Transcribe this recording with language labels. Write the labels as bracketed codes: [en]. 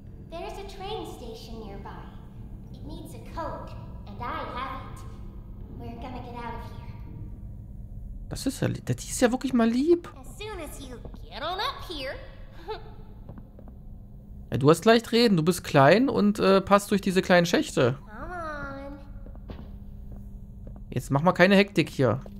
[en] There's a train station nearby. It needs a code, and I have it. We're gonna get out of here. [de] Das ist ja, das ist ja wirklich mal lieb. [en] As soon as you get on up here. [de] Ja, du hast leicht reden. Du bist klein und passt durch diese kleinen Schächte. [en] Come on. [de] Jetzt mach mal keine Hektik hier.